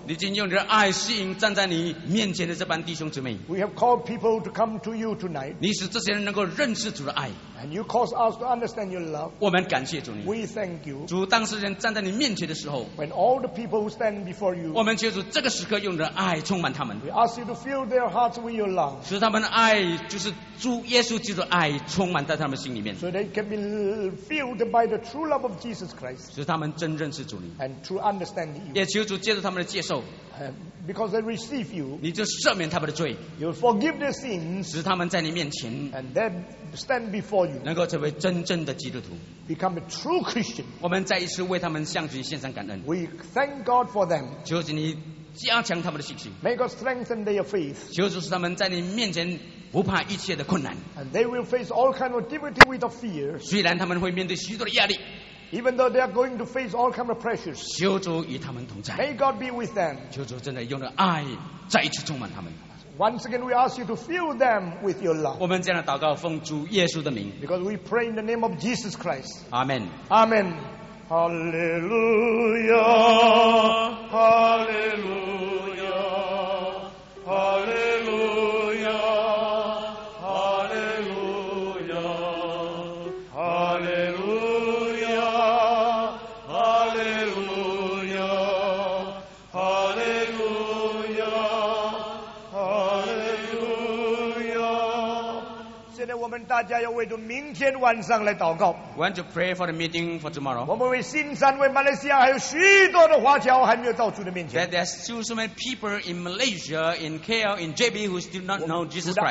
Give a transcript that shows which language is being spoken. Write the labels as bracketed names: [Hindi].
[Chinese] 你已经用你的爱吸引站在你面前的这班弟兄姊妹。 [English] We have called people to come to you tonight. [Chinese] 你使这些人能够认识主的爱。 [English] And you cause us to understand your love. [Chinese] 我们感谢主你。 [English] We thank you. [Chinese] 主，当世人站在你面前的时候。 [English] When all the people who stand before you. [Chinese] 我们求主这个时刻用你的爱充满他们。 [English] We ask you to fill their hearts. [Chinese] 使他们的爱就是主耶稣基督的爱充满在他们心里面 [English] so they can be filled by the true love of Jesus Christ [Chinese] 使他们真认识主你 [English] and true understanding you [Chinese] 也求主借着他们的接受 [English] because they receive you [Chinese] 你就赦免他们的罪 [English] you forgive their sins [Chinese] 使他们在你面前 [English] and they stand before you [Chinese] 能够成为真正的基督徒 [English] become a true Christian [Chinese] 我们再一次为他们向主献上感恩 [English] we thank God for them [Chinese] 求主你加强他们的信心 [English] May God strengthen their faith. [Chinese] 求主使他们在你面前不怕一切的困难 [English] And they will face all kinds of difficulty with fear. [Chinese] 虽然他们会面对许多的压力 [English] Even though they are going to face all kinds of pressures. [Chinese] 求主与他们同在 [English] May God be with them. [Chinese] 求主真的用了爱再一次充满他们 [English] Once again we ask you to fill them with your love. [Chinese] 我们这样的祷告奉主耶稣的名 [English] Because we pray in the name of Jesus Christ. Amen. Amen. Hallelujah, hallelujah, hallelujah, hallelujah, hallelujah, hallelujah, hallelujah, hallelujah. [Chinese] 现在我们大家要为着明天晚上来祷告。 [English] We want to pray for the meeting for tomorrow. [Chinese] 我们为新山为马来西亚还有许多的华侨还没有到主的面前。 [English] That there are still so many people in Malaysia, in KL, in JB who still not know Jesus Christ.